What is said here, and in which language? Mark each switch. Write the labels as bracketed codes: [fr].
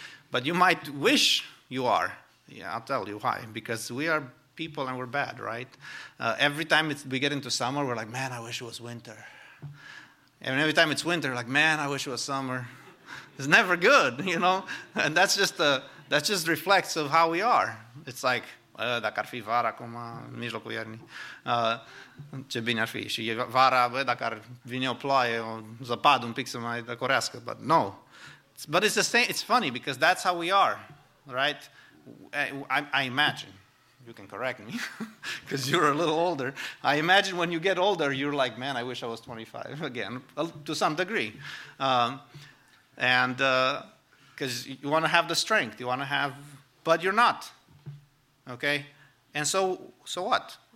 [en] But you might wish you are. Yeah, I'll tell you why. Because we are people and we're bad, right? Every time we get into summer, we're like, man, I wish it was winter. And every time it's winter, like, man, I wish it was summer. It's never good, you know? And that's just a... That just reflects of how we are. [ro] It's like, dacă ar fi vara acum, în mijlocul iernii, ce bine ar fi. Și e vara, dacă ar vine o ploaie, o zăpadă un pic să mai răcorească. [en] But no. But it's the same. It's funny because that's how we are, right? I imagine. You can correct me because you're a little older. I imagine when you get older, you're like, man, I wish I was 25 again, to some degree. Because you want to have the strength, you want to have, but you're not, okay? And so what?